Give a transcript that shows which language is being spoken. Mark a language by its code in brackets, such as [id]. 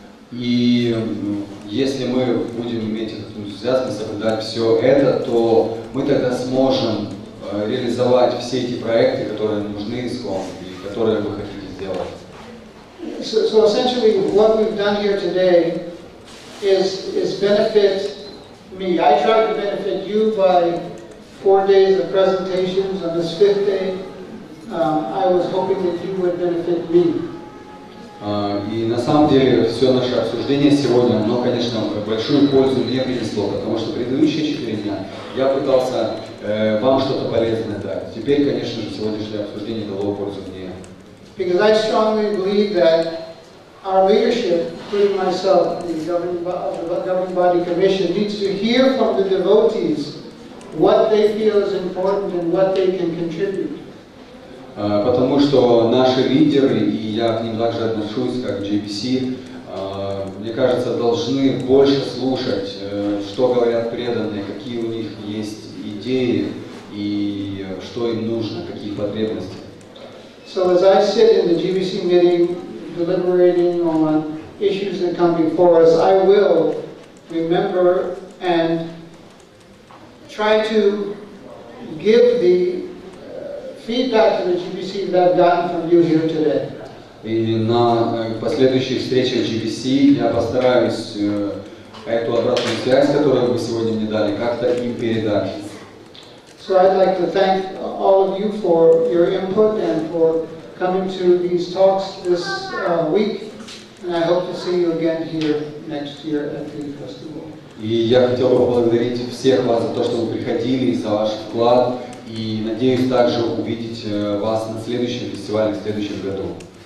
[ru] И если мы будем иметь этот энтузиазм и соблюдать все это, то мы тогда сможем реализовать все эти проекты, которые нужны ИСККОН и которые вы хотите сделать. [en] So essentially, what we've done here today is benefit me. I tried to benefit you by 4 days of presentations. On this 5th day, I was hoping that you would benefit me. [ru] И на самом деле все наше обсуждение сегодня, оно, конечно, большую пользу мне принесло, потому что предыдущие 4 дня я пытался вам что-то полезное дать. Теперь, конечно же, сегодняшнее обсуждение дало пользу мне. [en] Because I strongly believe that our leadership, including myself, the governing body commission, needs to hear from the devotees what they feel is important and what they can contribute. [ru] Потому что наши лидеры, и я к ним также отношусь, как JPC, мне кажется, должны больше слушать, что говорят преданные, какие у них есть идеи, и что им нужно, какие потребности. [en] So as I sit in the GBC meeting, deliberating on issues that come before us, I will remember and try to give the feedback to the GBC that I've gotten from you here today. [ru] И на последующих встречах GBC я постараюсь эту обратную связь, которую вы сегодня мне дали, как-то им передать. [en] So I'd like to thank all of you for your input and for coming to these talks this week. And I hope to see you again here next year at the festival. [ru] И я хотел бы поблагодарить всех вас за то, что вы приходили, и за ваш вклад. И надеюсь также увидеть вас на следующем фестивале в следующем году.